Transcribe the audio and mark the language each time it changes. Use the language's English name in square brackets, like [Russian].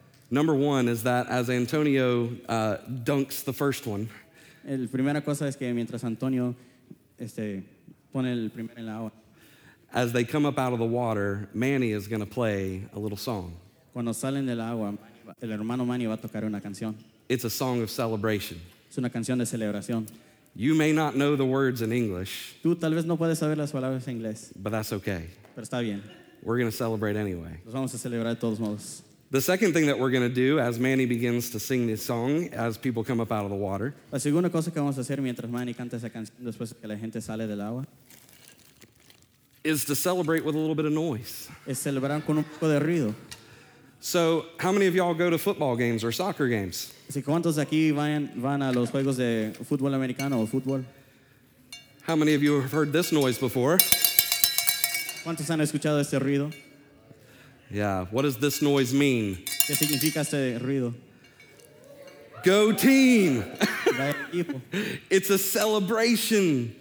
[English] Number one is that as Antonio dunks the first one, as they come up out of the water, Manny is going to play a little song. [Spanish] Cuando salen del agua, el hermano Manny va a tocar una canción. [English] It's a song of celebration. [Spanish] Es una canción de celebración. [English] You may not know the words in English. [Spanish] Tú tal vez no puedes saber las palabras en inglés. [English] But that's okay. [Spanish] Pero está bien. [English] We're going to celebrate anyway. [Spanish] Nos vamos a celebrar de todos modos. [English] The second thing that we're going to do as Manny begins to sing this song as people come up out of the water. [Spanish] La segunda cosa que vamos a hacer mientras Manny canta esa canción después que la gente sale del agua [English] is to celebrate with a little bit of noise. [Spanish] Es celebrar con un poco de ruido. [English] So, how many of y'all go to football games or soccer games? [Spanish] ¿Cuántos aquí van a los juegos de fútbol americano o fútbol? [English] How many of you have heard this noise before? [Spanish] ¿Cuántos han escuchado este ruido? [English] Yeah, what does this noise mean? [Spanish] ¿Qué significa este ruido? [English] Go team! [Spanish] Vaya equipo. [English] It's a celebration.